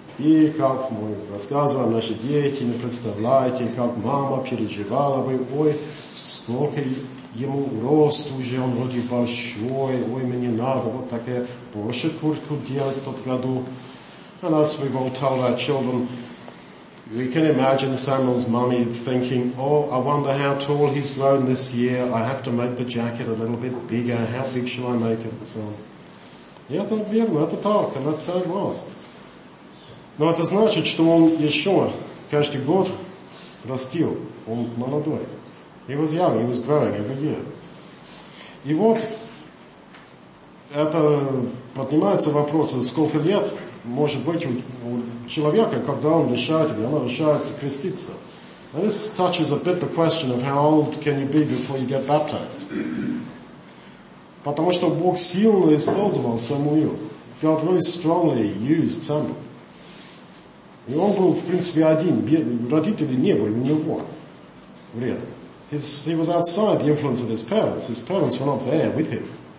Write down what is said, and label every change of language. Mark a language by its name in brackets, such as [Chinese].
[Russian] И как мы рассказываем наши дети, не представляете, как мама переживала бы, ой, сколько ему рост уже, он вроде большой, ой, мне надо вот такая больше куртку делать в тот году. [English] And as we've all told our children, we can imagine Samuel's mummy thinking, oh, I wonder how tall he's grown this year, I have to make the jacket a little bit bigger, how big shall I make it, and so on. [Russian] И это верно, это так, [English] and that's how it was. [Russian] Но это значит, что он еще каждый год растил, он молодой. [English] He was young, he was growing every year. [Russian] И вот это поднимается вопрос, сколько лет может быть у человека, когда он решает, или она решает креститься. [English] And this touches a bit the question of how old can you be before you get baptized. [Russian] Потому что Бог сильно использовал Самуил. [English] God really strongly used Samuel. [Russian] И он был, в принципе, один. Родители не были у него. Вредно. [English] He was outside the influence of his parents. His parents were not there with him.